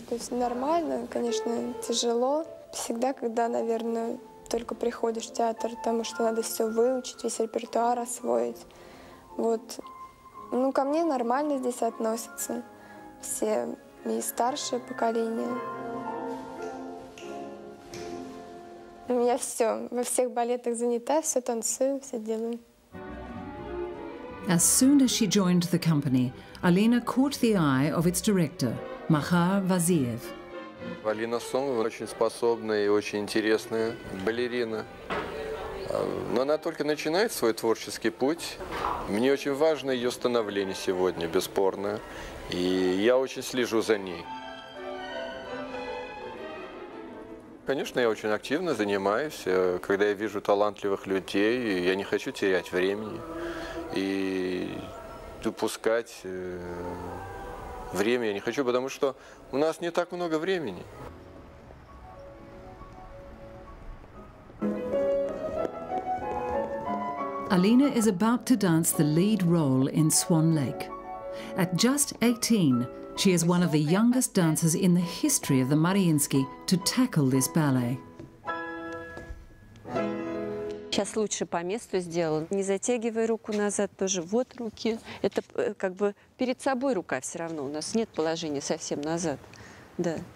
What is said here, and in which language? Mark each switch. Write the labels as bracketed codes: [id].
[ru] Нормально, конечно, тяжело. Всегда, когда, наверное, только приходишь в театр, потому что надо все выучить, весь репертуар освоить. Вот. Ну, ко мне нормально здесь относятся. Все и старшее поколение. У меня все. Во всех балетах занята, все танцую, все делаю. [en] As soon as she joined the company, Алина caught the eye of its director, Махар Вазиев. [ru] Алина Сомова очень способная и очень интересная балерина. Но она только начинает свой творческий путь. Мне очень важно ее становление сегодня, бесспорно. И я очень слежу за ней. Конечно, я очень активно занимаюсь. Когда я вижу талантливых людей, я не хочу терять времени и упускать... Время я не хочу, потому что у нас не так много времени. [en] Алина is about to dance the lead role in Swan Lake. At just 18, she is one of the youngest dancers in the history of the Мариинский to tackle this ballet. [ru] Сейчас лучше по месту сделал. Не затягивай руку назад тоже. Вот руки. Это как бы перед собой рука все равно. У нас нет положения совсем назад. Да.